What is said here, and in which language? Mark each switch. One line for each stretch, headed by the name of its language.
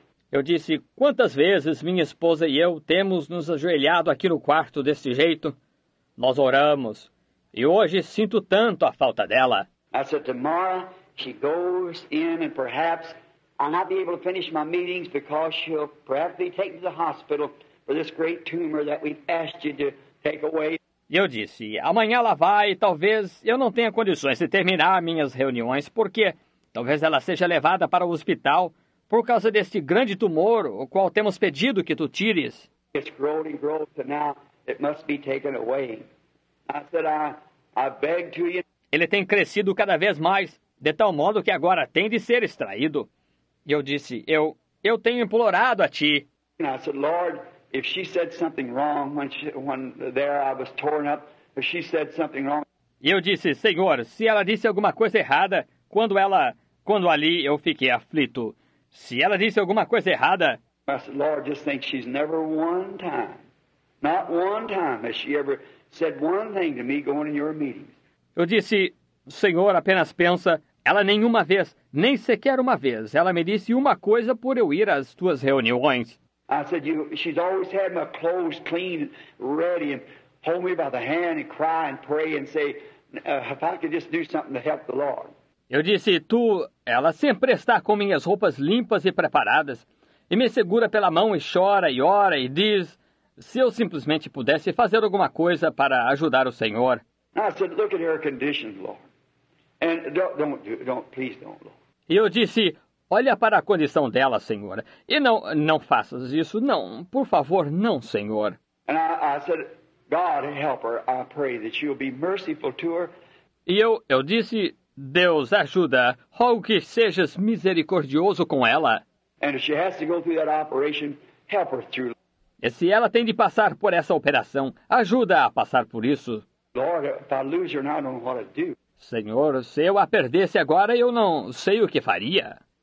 Portuguese: Eu disse, quantas vezes minha esposa e eu temos nos ajoelhado aqui no quarto deste jeito? Nós oramos. E hoje sinto tanto a falta dela. Eu disse,
English: tomorrow she goes in and perhaps I'll not be able to finish my meetings because she'll perhaps be taken to the hospital for this great tumor that we've asked you to take away.
Portuguese: Eu disse, amanhã ela vai e talvez eu não tenha condições de terminar minhas reuniões porque talvez ela seja levada para o hospital por causa deste grande tumor o qual temos pedido que tu tires.
English: It's grown and grown to now it must be taken away. I said, I beg to you.
Portuguese: Ele tem crescido cada vez mais de tal modo que agora tem de ser extraído. E eu disse, eu tenho implorado a ti.
English: I said, Lord, if she said something wrong when there I was torn up, if she said something wrong.
Portuguese: E eu disse, Senhor, se ela disse alguma coisa errada quando ali eu fiquei aflito, se ela disse alguma coisa errada.
English: I said, Lord, just think she's never one time, not one time has she ever said one thing to me going in your meetings.
Portuguese: Eu disse, Senhor, apenas pensa. Ela nenhuma vez, nem sequer uma vez, ela me disse uma coisa por eu ir às tuas reuniões.
English: I said, she's always had my clothes clean and ready and hold me by the hand and cry and pray and say, if I could just do something to help the Lord.
Portuguese: Eu disse, tu, ela sempre está com minhas roupas limpas e preparadas e me segura pela mão e chora e ora e diz, se eu simplesmente pudesse fazer alguma coisa para ajudar o Senhor.
English: I said, look at her condition, Lord. And don't, please don't, Lord.
Portuguese: E eu disse, olha para a condição dela, Senhor. E não faças isso, não. Por favor, não, Senhor.
English: And I said, God, help her. I pray that you'll be merciful to her.
Portuguese: E eu disse, Deus, ajuda. Rogo que sejas misericordioso com ela.
English: And if she has to go through that operation, help her through.
Portuguese: E se ela tem de passar por essa operação, ajuda a passar por isso.
English: Lord, if I lose her now, I don't know what to do.
Portuguese: Senhor, se eu a perdesse agora, eu não sei o que faria.